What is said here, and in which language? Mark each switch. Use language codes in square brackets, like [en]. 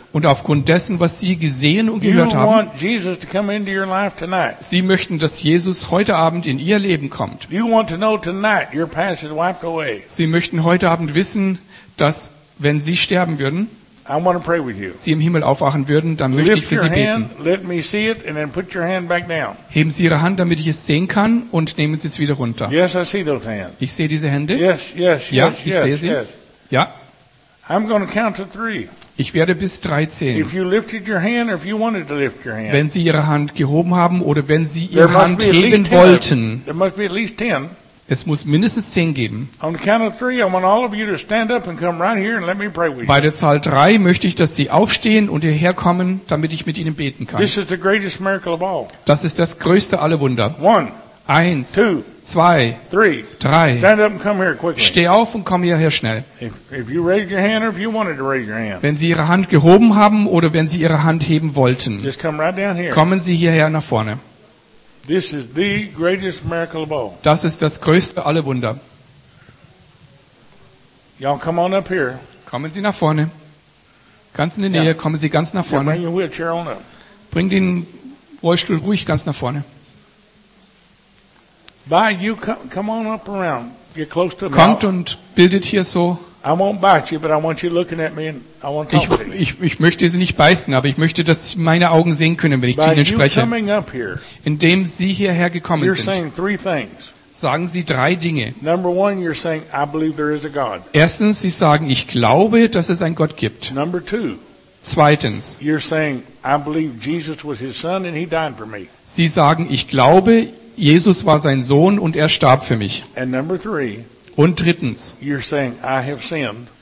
[de] und aufgrund dessen, was Sie gesehen und gehört haben, [en] you want Jesus to come into your life tonight. [de] Sie möchten, dass Jesus heute Abend in Ihr Leben kommt. [en] You want to know tonight, your past is wiped away. [de] Sie möchten heute Abend wissen, dass, wenn Sie sterben würden, [en] I want to pray with you. [de] Sie im Himmel aufwachen würden, dann möchte ich für Sie beten. [en] Let me see it and then put your hand back down. [de] Heben Sie Ihre Hand, damit ich es sehen kann, und nehmen Sie es wieder runter. [en] Yes, I see those hands. [de] Ich sehe diese Hände. [en] Yes, yes, [de] ja, [en] yes, [de] ich sehe [en] yes, [de] sie. [en] Yes. [de] Ja. [en] I'm going to count to three. [de] Ich werde bis drei zählen. [en] If you lifted your hand or if you wanted to lift your hand. [de] Wenn Sie Ihre Hand gehoben haben oder wenn Sie Ihre Hand heben wollten. [en] There must be at least 10. [de] Es muss mindestens 10 geben. Bei der Zahl 3 möchte ich, dass Sie aufstehen und hierher kommen, damit ich mit Ihnen beten kann. [en] This is the greatest miracle of all. [de] Das ist das größte aller Wunder. 1, 2, 3. [en] Stand up and come here quickly. [de] Steh auf und komm hierher schnell. [en] If you raised your hand or if you wanted to raise your hand. [de] Wenn Sie Ihre Hand gehoben haben oder wenn Sie Ihre Hand heben wollten, [en] just come right down here. [de] Kommen Sie hierher nach vorne. [en] This is the greatest miracle of all. [de] Das ist das größte aller Wunder. [en] Y'all come on up here. [de] Kommen Sie nach vorne. Ganz in die Nähe, kommen Sie ganz nach vorne. [en] Bring your wheelchair on up. [de] Bring den Rollstuhl ruhig ganz nach vorne. [en] By you come on up around. Get close to me. [de] Kommt und bildet hier so. [en] I won't bite you, but I want you looking at me and I want to talk to you. [de] Ich möchte Sie nicht beißen, aber ich möchte, dass Sie meine Augen sehen können, wenn ich [en] by [de] zu Ihnen spreche. [en] Coming up here, [de] indem Sie hierher gekommen [en] you're [de] sind. [en] Saying three things. [de] Sagen Sie drei Dinge. [en] Number one, you're saying, I believe there is a God. [de] Erstens, Sie sagen, ich glaube, dass es einen Gott gibt. [en] Number two, [de] zweitens, [en] you're saying, I believe Jesus was his son and he died for me. [de] Sie sagen, ich glaube, Jesus war sein Sohn und er starb für mich. [en] And number three, [de] und drittens, [en] you're saying, I have sinned,